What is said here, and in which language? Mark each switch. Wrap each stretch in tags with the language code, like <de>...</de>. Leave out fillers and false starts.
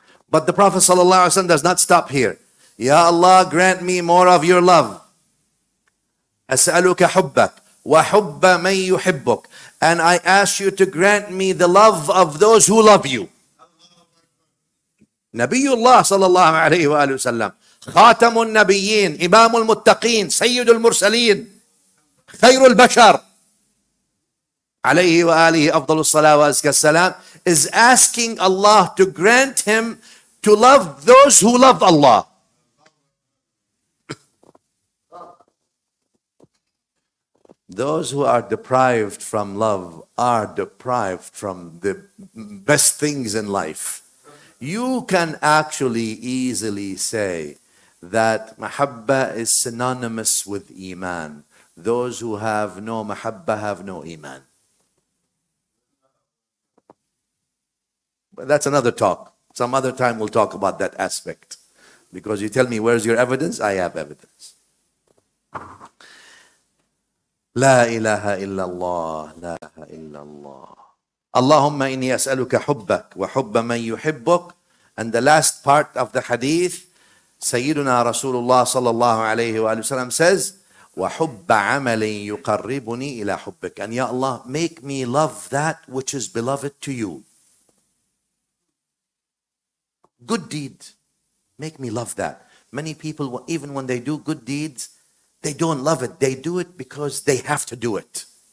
<en>But the Prophet sallallahu alaihi wasallam does not stop here. Ya Allah, grant me more of your love.</en> <ar>As'aluka hubbak وَحُبَّ مَنْ يُحِبُّكَ.</ar> <en>And I ask you to grant me the love of those who love you.</en> <ar>نبي الله صلى الله عليه وآله وسلم خاتم النبيين إمام المتقين سيد المرسلين خير البشر عليه وآله أفضل الصلاة وأزكى السلام</ar> <en>is asking Allah to grant him to love those who love Allah. Those who are deprived from love are deprived from the best things in life. You can actually easily say that mahabba is synonymous with iman. Those who have no mahabba have no iman. But that's another talk. Some other time we'll talk about that aspect. Because you tell me, where's your evidence? I have evidence.</en> <ar>لا إله إلا الله لا إله إلا الله اللهم إني أسألك حبك وحب من يحبك.</ar> <en>And the last part of the hadith,</en> <ar>سيدنا رسول الله صلى الله عليه وآله وسلم</ar> <en>says</en> <ar>وحب عمل يقربني إلى حبك.</ar> <en>And ya Allah, make me love that which is beloved to you. Good deed, make me love that. Many people, even when they do good deeds, they don't love it. They do it because they have to do it.</en>